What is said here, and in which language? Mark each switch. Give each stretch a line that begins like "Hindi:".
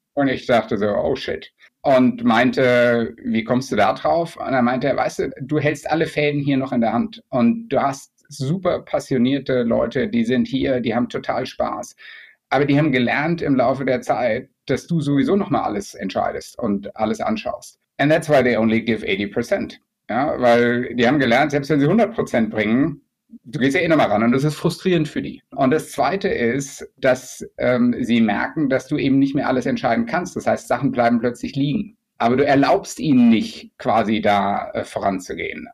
German: Und ich dachte so, oh shit. Und meinte, wie kommst du da drauf? Und er meinte, weißt du hältst alle Fäden hier noch in der Hand. Und du hast super passionierte Leute, die sind hier, die haben total Spaß. Aber die haben gelernt im Laufe der Zeit, dass du sowieso nochmal alles entscheidest und alles anschaust.
English: And that's why they only give 80%.
German: Ja, weil die haben gelernt, selbst wenn sie 100% bringen, du gehst ja eh nochmal ran und das ist frustrierend für die. Und das Zweite ist, dass sie merken, dass du eben nicht mehr alles entscheiden kannst. Das heißt, Sachen bleiben plötzlich liegen. Aber du erlaubst ihnen nicht, quasi da voranzugehen.